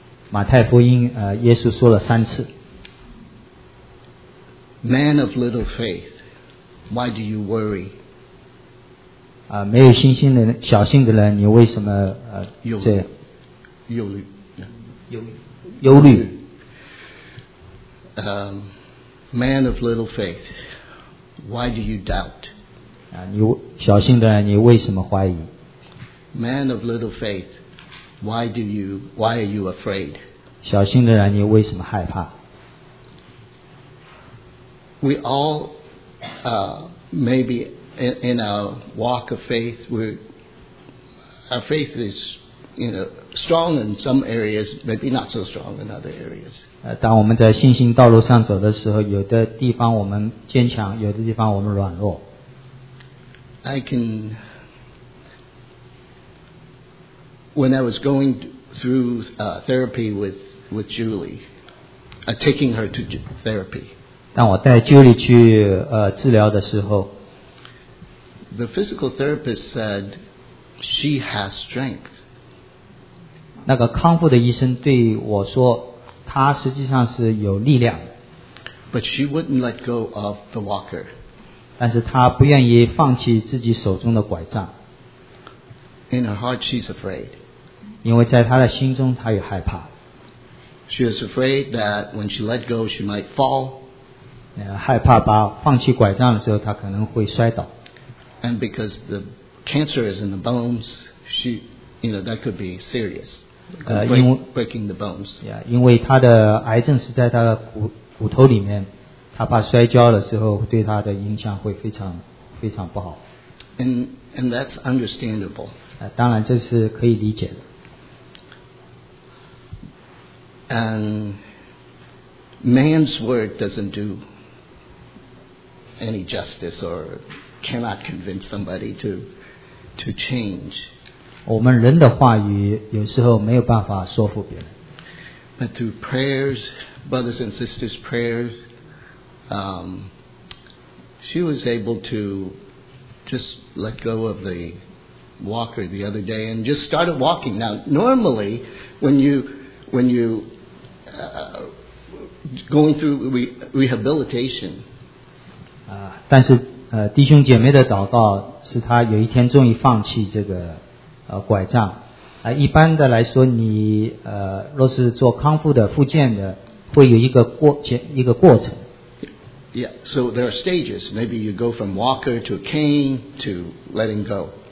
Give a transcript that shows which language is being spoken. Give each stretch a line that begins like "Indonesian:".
Chinese: 马太福音耶稣说了三次。
English: Man of little faith, why do you worry?
Chinese: 没有信心的人，小心的人，你为什么忧虑？忧虑。忧虑。
English: Man of little faith, why do you doubt?
Chinese: 你小心的人，你为什么怀疑？
English: Man of little faith, why are you afraid?
Chinese: 小心的人，你为什么害怕？
English: We all, maybe in our walk of faith, our faith is, you know, strong in some areas, maybe not so strong in other areas.
Chinese: 当我们在信心道路上走的时候，有的地方我们坚强，有的地方我们软弱。
English: I can, when I was going through therapy with Julie, taking her to therapy.
Chinese: 当我带 Julie 去治疗的时候，
English: The physical therapist said she has strength.
Chinese: 那个康复的医生对我说，他实际上是有力量。
English: But she wouldn't let go of the walker.
Chinese: 但是他不愿意放弃自己手中的拐杖。
English: In her heart, she's afraid.
Chinese: 因为在他的心中，他也害怕。
English: She is afraid that when she let go, she might fall.
Chinese: 害怕把放弃拐杖的时候，他可能会摔倒。
English: And because the cancer is in the bones, she, you know, that could be serious. Breaking the bones.
Chinese: Yeah, 因为他的癌症是在他的 骨头里面，他怕摔跤的时候对他的影响会非常非常不好。
English: And that's understandable.
Chinese: 当然这是可以理解的。
English: And man's word doesn't do any justice or cannot convince somebody to change.
Chinese: 我们人的话语有时候没有办法说服别人。
English: But through prayers, brothers and sisters' prayers, she was able to just let go of the walker the other day and just started walking. Now, normally, when you going through rehabilitation,
Chinese: 但是弟兄姐妹的祷告是她有一天终于放弃这个。拐杖，一般的来说，你若是做康复的、复健的，会有一个过程。
English: Yeah, so there are stages. Maybe you go from walker to cane to letting go.